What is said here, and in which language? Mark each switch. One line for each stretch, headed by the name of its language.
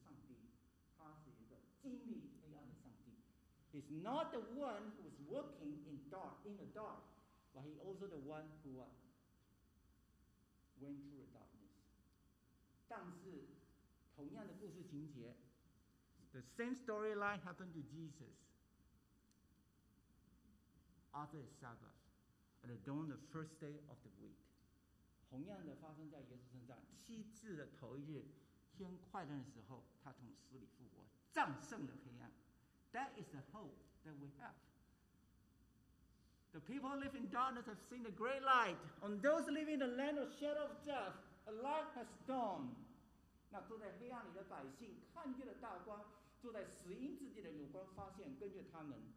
Chinese: 历史当中，如果只看雅各的话，那不重要。最重要你要看耶稣他本身自己，不只是一个在黑暗当中行事的上帝，他是一个经历黑暗的上帝。
English: He's not the one who is working in the dark, but he also the one who went through the darkness.
Chinese: 但是，同样的故事情节，
English: the same storyline happened to Jesus. After the Sabbath, at the dawn of the first day of the week.
Chinese: 同样的发生在耶稣身上,七日的头一日,天快亮的时候,他从死里复活,战胜了黑暗.
English: That is the hope that we have. The people who live in darkness have seen the great light. On those living in the land of shadow of death, a light has dawned.
Chinese: 那坐在黑暗里的百姓,看见了大光, 坐在死荫之地的有光发现,跟着他们。